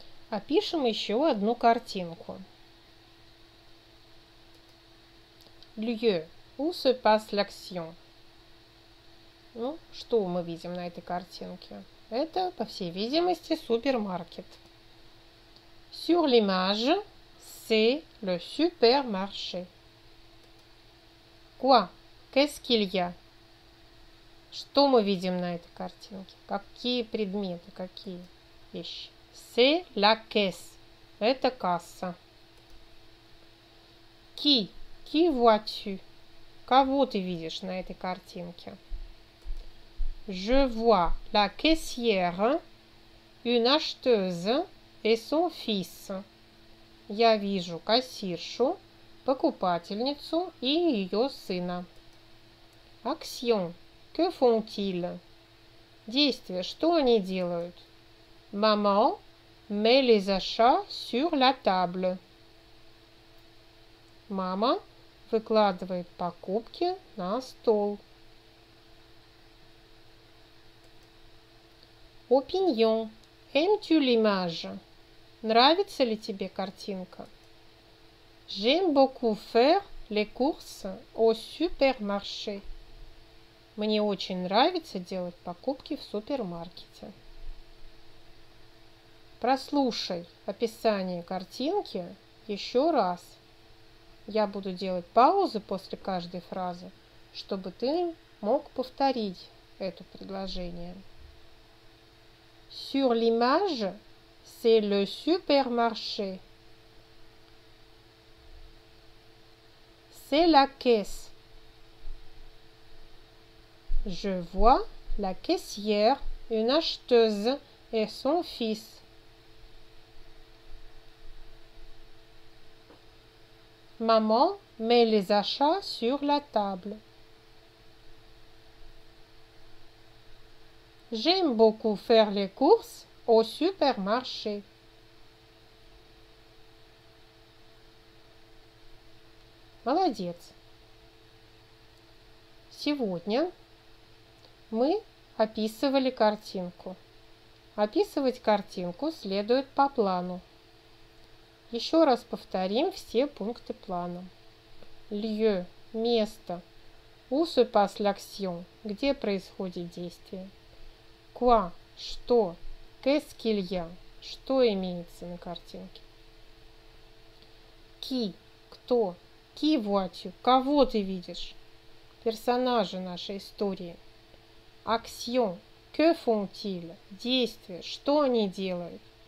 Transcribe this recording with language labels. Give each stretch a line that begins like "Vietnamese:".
Russian: Опишем еще одну картинку.
French: Lieu. Où se passe l'action?
Russian: Ну, что мы видим на этой картинке? Это, по всей видимости, супермаркет.
French: Sur l'image, c'est le supermarché. Quoi? Qu'est-ce qu'il y a?
Russian: Что мы видим на этой картинке? Какие предметы, какие вещи?
French: C'est la caisse.
Russian: Это касса.
French: Qui? Qui vois-tu?
Russian: Кого ты видишь на этой картинке?
French: Je vois la caissière, une acheteuse et son fils.
Russian: Я вижу кассиршу, покупательницу и ее сына.
French: Action. Que font-ils?
Russian: Действие. Что они делают?
French: Maman, Mets les achats sur la table.
Russian: Мама выкладывает покупки на стол.
French: Opinion. Aimes-tu l'image?
Russian: Нравится ли тебе картинка?
French: J'aime beaucoup faire les courses au supermarché.
Russian: Мне очень нравится делать покупки в супермаркете. Прослушай описание картинки еще раз. Я буду делать паузы после каждой фразы, чтобы ты мог повторить это предложение.
French: Sur l'image, c'est le supermarché. C'est la caisse. Je vois la caissière, une acheteuse et son fils. Maman met les achats sur la table. J'aime beaucoup faire les courses au supermarché.
Russian: Молодец! Сегодня мы описывали картинку. Описывать картинку следует по плану. Еще раз повторим все пункты плана. Lieu – место.
French: Où se passe l'action –
Russian: где происходит действие. Quoi – что.
French: Qu'est-ce qu'il y a –
Russian: что имеется на картинке. Qui – кто.
French: Qui vois-tu
Russian: – кого ты видишь. Персонажи нашей истории.
French: Action – que font-ils
Russian: – действия, что они делают.